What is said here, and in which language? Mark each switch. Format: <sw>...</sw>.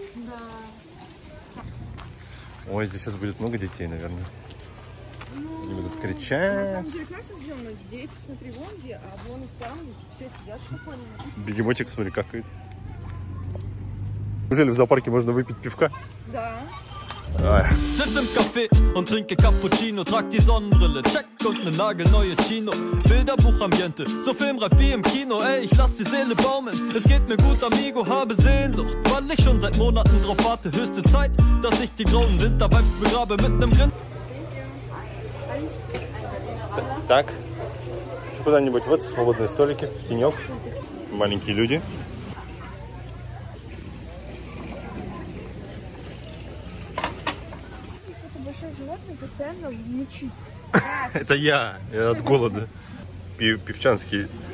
<ru>Да. Ой, здесь сейчас будет много детей, наверное. Ну, они будут кричать. На самом деле, конечно, сделано. Дети, смотри, вон где, а вон там все сидят спокойно. Бегемотик, смотри, какает. Неужели в зоопарке можно выпить пивка? Да.</ru> <de>Sitz im Café und trinke Cappuccino, trag die Sonnenbrille, check und ne nagelneue Chino. Bilderbuchambiente, so filmreif wie im Kino. Ey, ich lass die Seele baumeln, es geht mir gut, amigo, habe Sehnsucht, weil ich schon seit Monaten drauf warte. Höchste Zeit, dass ich die grauen Winter-Vibes begrabe mit nem Grin.</de> <ru>Так, что куда-нибудь, вот свободные столики, в тенек, маленькие люди. Постоянно мучить. Это я от голода. Певчанский.</ru>